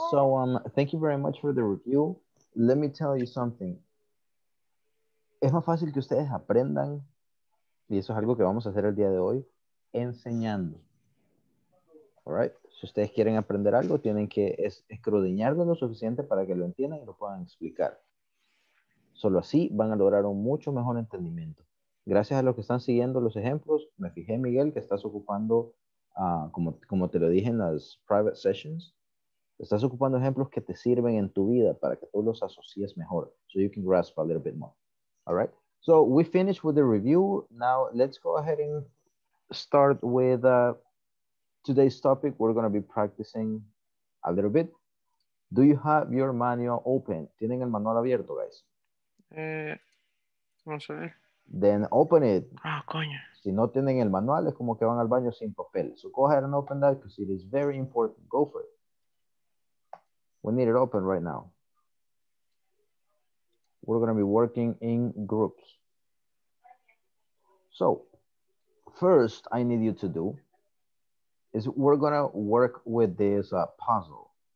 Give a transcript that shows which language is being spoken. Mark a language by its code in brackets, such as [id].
[en] So, thank you very much for the review. Let me tell you something. [es] Es más fácil que ustedes aprendan, y eso es algo que vamos a hacer el día de hoy, enseñando. All right. Si ustedes quieren aprender algo, tienen que escudriñarlo lo suficiente para que lo entiendan y lo puedan explicar. Solo así van a lograr un mucho mejor entendimiento. gracias a los que están siguiendo los ejemplos, me fijé, Miguel, que estás ocupando, como te lo dije en las private sessions, estás ocupando ejemplos que te sirven en tu vida para que tú los asocies mejor. [en] So you can grasp a little bit more. All right. So we finished with the review. Now let's go ahead and start with today's topic. We're going to be practicing a little bit. Do you have your manual open? ¿Tienen el manual abierto, guys? [es] Vamos a ver. [en] Then open it. [es] Ah, coño. Si no tienen el manual, es como que van al baño sin papel. [en] So go ahead and open that because it is very important. Go for it. We need it open right now. We're going to be working in groups. So, first I need you to do is we're going to work with this puzzle.